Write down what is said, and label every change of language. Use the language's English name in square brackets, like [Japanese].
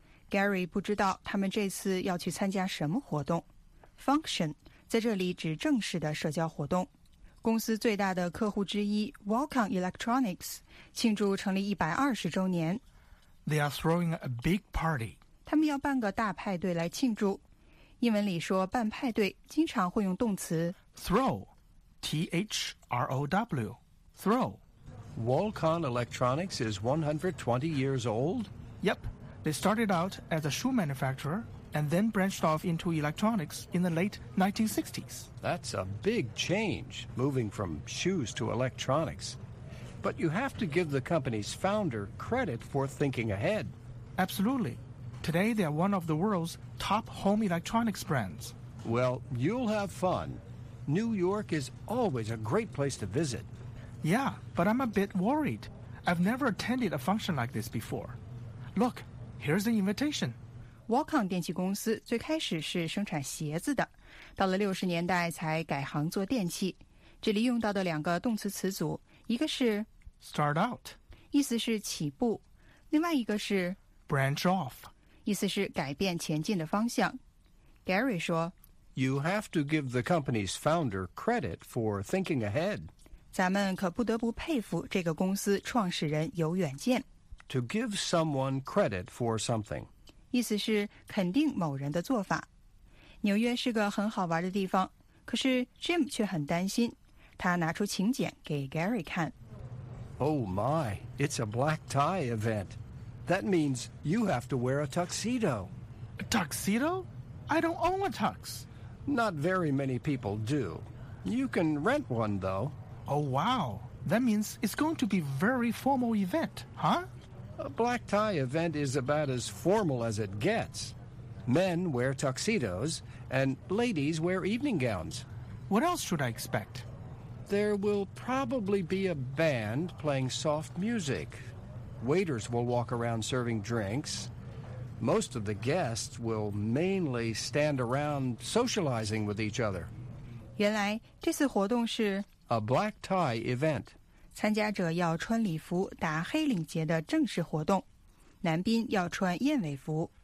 [Chinese] Gary 不知道他们这次要去参加什么活动。 Function 在这里指正式的社交活动。公司最大的客户之一 Walcon Electronics 庆祝成立120周年。 [English] They are throwing a big party. [Chinese] 他们要办个大派对来庆祝。英文里说办派对经常会用动词 [English] throw, T-H-R-O-W, throw, Walcon Electronics is 120 years old? Yep. They started out as a shoe manufacturer and then branched off into electronics in the late 1960s. That's a big change, moving from shoes to electronics. But you have to give the company's founder credit for thinking ahead. Absolutely. Today, they are one of the world's top home electronics brands. Well, you'll have fun. New York is always a great place to visit. Yeah, but I'm a bit worried. I've never attended a function like this before. Look, here's the invitation. [Chinese] Walcon 电器公司最开始是生产鞋子的，到了60年代才改行做电器。这里用到的两个动词词组，一个是 [English] start out， [Chinese] 意思是起步，另外一个是 [English] branch off， [Chinese] 意思是改变前进的方向。 Gary 说， [English] You have to give the company's founder credit for thinking ahead. [Chinese] 咱们可不得不佩服这个公司创始人有远见。 [English] To give someone credit for something， [Chinese] 意思是肯定某人的做法。纽约是个很好玩的地方，可是 Jim 却很担心。他拿出请柬给 Gary 看。 [English] Oh my, it's a black tie event. That means you have to wear a tuxedo. A tuxedo? I don't own a tux. Not very many people do. You can rent one, though. Oh wow, that means it's going to be a very formal event, huh? A black tie event is about as formal as it gets. Men wear tuxedos, and ladies wear evening gowns. What else should I expect? There will probably be a band playing soft music. Waiters will walk around serving drinks. Most of the guests will mainly stand around socializing with each other. [Chinese] 原来这次活动是 [English] a black tie event. [Chinese] 参加者要穿礼服打黑领结的正式活动，男宾要穿燕尾服。